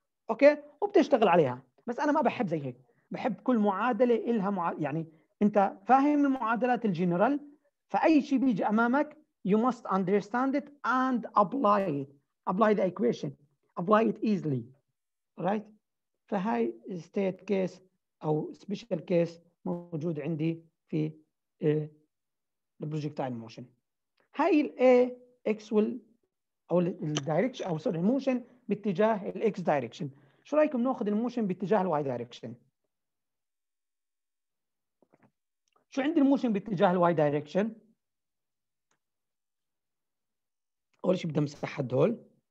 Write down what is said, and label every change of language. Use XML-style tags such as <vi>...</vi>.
<ar>أوكي؟ وبتشتغل عليها. بس أنا ما بحب زي هيك. بحب كل معادلة إلها يعني أنت فاهم المعادلات الجنرال، فأي شيء بيجي أمامك</ar> <en>you must understand it and apply it. Apply the equation. Apply it easily. Right?</en> <ar>فهاي state case أو special case موجود عندي في البروجكتايل موشن. هاي الـ A X will أو الـ direction أو sorry motion باتجاه الـ X direction. شو رأيكم نأخذ الموشن باتجاه الـ Y direction؟ شو عندي الموشن باتجاه الـ Y direction؟ أول شيء بدي أمسح هدول.</ar>